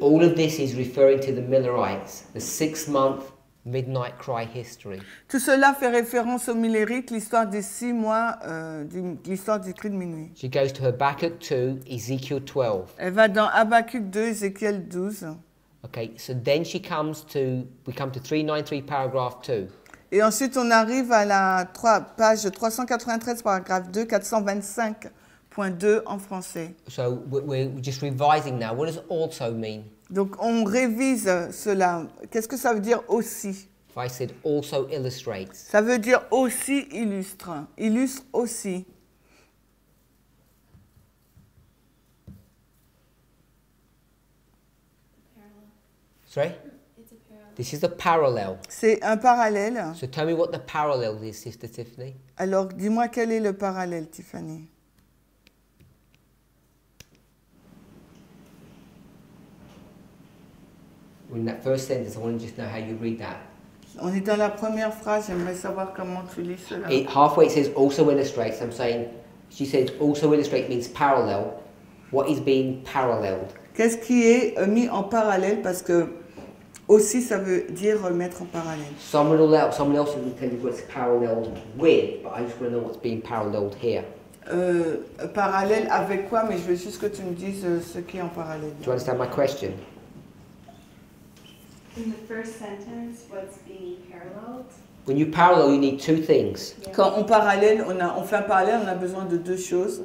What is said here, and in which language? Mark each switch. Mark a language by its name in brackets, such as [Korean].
[English] All of this is referring to the Millerites, the six-month midnight cry history. [French] Tout cela fait référence aux Millerites, l'histoire des six mois, l'histoire du cri de minuit. [English] She goes to Habakkuk 2, Ezekiel 12. [French] Elle va dans Habakkuk 2, Ezekiel 12. [English] Okay, so then she comes to, we come to 393, paragraph 2. [French] Et ensuite, on arrive à la page 393, paragraphe 2, 425. Point 2 en français. [English] So we're just revising now. What does also mean? [French] Donc on révise cela. Qu'est-ce que ça veut dire aussi? [English] If I said also illustrates. [French] Ça veut dire aussi illustre. Illustre aussi. [English] Sorry? This is a parallel. [French] C'est un parallèle. [English] So tell me what the parallel is, Sister Tiffany. [French] Alors dis-moi quel est le parallèle, Tiffany. [English] In that first sentence, I want to just know how you read that. [French] On est dans la première phrase, j'aimerais savoir comment tu lis cela. [English] It, halfway it says also illustrates, I'm saying, she says also illustrates means parallel. What is being paralleled? [French] Qu'est-ce qui est mis en parallèle parce que aussi ça veut dire mettre en parallèle. [English] Someone else will tell you what's paralleled with, but I just want to know what's being paralleled here. [French] Parallèle avec quoi, mais je veux juste que tu me dises ce qui est en parallèle. [English] Do you understand my question? In the first sentence, what's being paralleled? When you parallel, you need two things. Yes. [French] Quand on parallèle, on fait un parallèle, on a besoin de deux choses.